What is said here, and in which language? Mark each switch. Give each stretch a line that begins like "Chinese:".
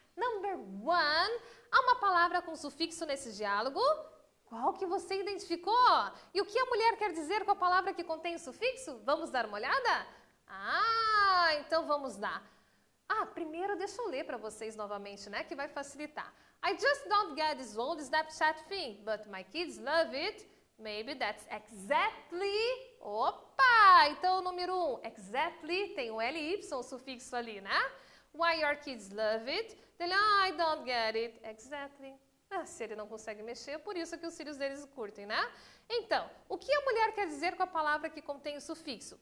English: Number one,
Portuguese: há uma palavra com sufixo nesse diálogo. Qual que você identificou? E o que a mulher quer dizer com a palavra que contém o sufixo? Vamos dar uma olhada? Ah, então vamos lá. Ah, primeiro deixa eu ler para vocês novamente, né, que vai facilitar.
English: I just don't get this old Snapchat thing, but my kids love it. Maybe that's exactly... Opa!
Portuguese: Então, número um, exactly, tem o L-Y, o sufixo ali, né?
English: Why your kids love it? They're like, I don't get it. Exactly.
Portuguese: Ah, se ele não consegue mexer, é por isso que os filhos deles curtem, né? Então, o que a mulher quer dizer com a palavra que contém o sufixo?